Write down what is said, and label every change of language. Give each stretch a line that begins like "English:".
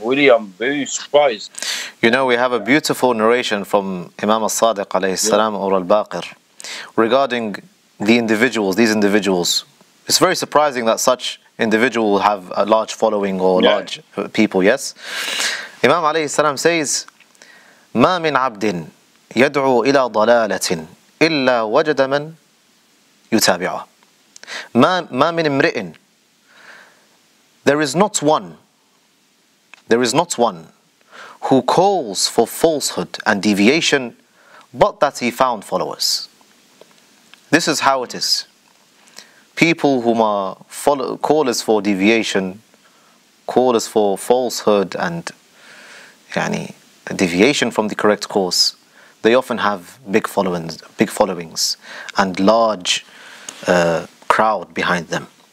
English: Really, I'm very surprised. You know, we have a beautiful narration from Imam al-Sadiq alayhi salam, or al-Baqir, regarding these individuals. It's very surprising that such individual will have a large following or large people, yes? Imam alayhi salam says,
Arabic: مَا مِنْ عَبْدٍ يَدْعُو إِلَى ضَلَالَةٍ إِلَّا وَجَدَ مَنْ يُتَابِعَ مَا مِنْ امْرِئٍ.
English: There is not one who calls for falsehood and deviation but that he found followers. This is how it is. People whom are callers for deviation, callers for falsehood and deviation from the correct course, they often have big followings and large crowd behind them.